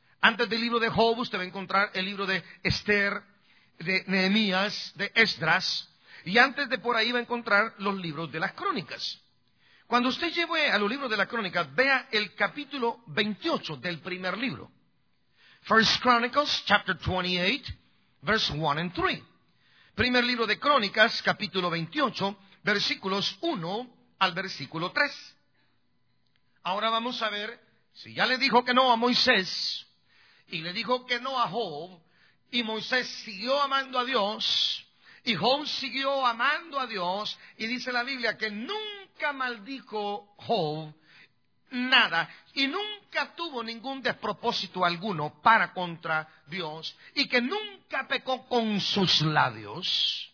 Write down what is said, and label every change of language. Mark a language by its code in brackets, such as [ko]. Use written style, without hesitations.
[es] Antes del libro de Job, usted va a encontrar el libro de Esther, de Nehemías, de Esdras. Y antes de por ahí va a encontrar los libros de las Crónicas. Cuando usted lleve a los libros de las Crónicas, vea el capítulo 28 del primer libro. [en] First Chronicles, chapter 28, verse 1 and 3. [es] Primer libro de Crónicas, capítulo 28, versículos 1 al versículo 3. Ahora vamos a ver si ya le dijo que no a Moisés y le dijo que no a Job, y Moisés siguió amando a Dios, y Job siguió amando a Dios, y dice la Biblia que nunca maldijo Job nada, y nunca tuvo ningún despropósito alguno para contra Dios, y que nunca pecó con sus labios.